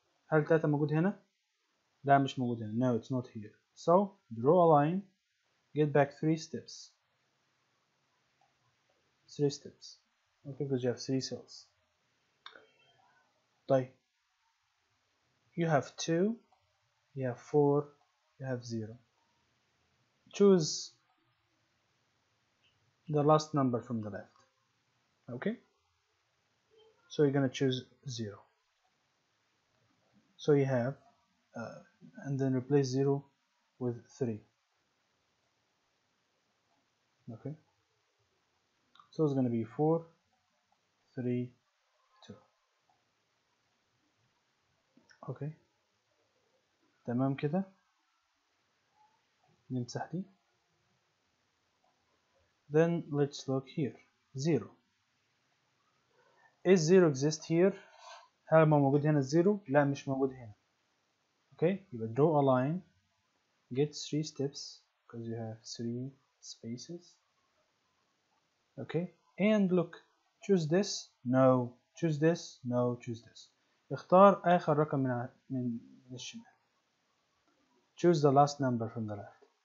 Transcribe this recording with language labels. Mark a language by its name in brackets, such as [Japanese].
[Arabic] هل 3 موجود هنا؟ لا مش موجود هنا. [English] No, it's not here. So, draw a line, get back 3 steps. 3 steps. Okay, because you have 3 cells. [Arabic] طيب. [English] You have 2, you have 4, you have 0. Choose the last number from the left. Okay? So you're gonna choose 0. So you have, and then replace 0 with 3. Okay? So it's going to be 4, 3, 2. [Arabic] Okay. تمام كده. نمسح دي. [English] Then let's look here. 0. Is 0 exist here? [Arabic] هل ما موجود هنا 0؟ لا مش موجود هنا. [English] Okay. You will draw a line. Get 3 steps. Because you have 3 spaces. Okay. And look, choose this, no, choose this, no, choose this. [Arabic] اختار آخر رقم من الشمال. [English] Choose the last number from the left.